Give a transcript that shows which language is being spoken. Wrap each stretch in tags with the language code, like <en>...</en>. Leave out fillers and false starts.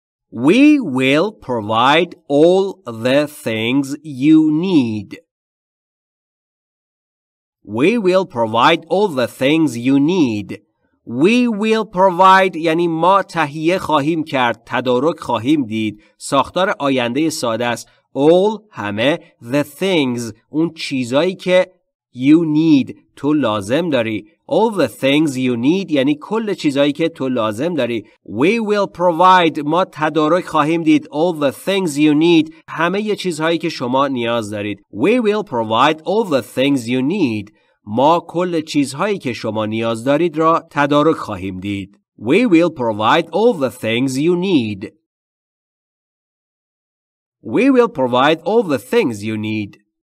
<en>We will provide all the things you need. We will provide all the things you need. We will provide</en> <fa>یعنی ما تهیه خواهیم کرد، تدارک خواهیم دید. ساختار آینده ساده است. All همه</fa> <en>the things</en> <fa>اون چیزایی که</fa> <en>you need</en> <fa>تو لازم داری.</fa> <en>All the things you need</en> <fa>یعنی کل چیزایی که تو لازم داری.</fa> <en>We will provide</en> <fa>ما تدارک خواهیم دید.</fa> <en>All the things you need</en> <fa>همه ی چیزهایی که شما نیاز دارید.</fa> <en>We will provide all the things you need.</en> <fa>ما کل چیزهایی که شما نیاز دارید را تدارک خواهیم دید.</fa> <en>We will provide all the things you need. We will provide all the things you need.</en>